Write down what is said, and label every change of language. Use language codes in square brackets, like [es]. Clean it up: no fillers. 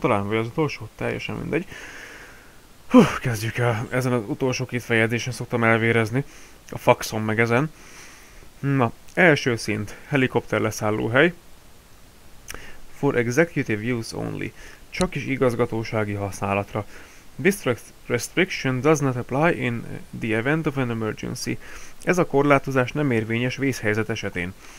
[hu] Talán vagy az utolsó, teljesen mindegy. Hú, kezdjük el. Ezen az utolsó két feljegyzésen szoktam elvérezni. A faxon meg ezen. Na, első szint. Helikopter leszállóhely. [en] For executive use only. [hu] Csak is igazgatósági használatra. [en] This restriction does not apply in the event of an emergency. [hu] Ez a korlátozás nem érvényes vészhelyzet esetén.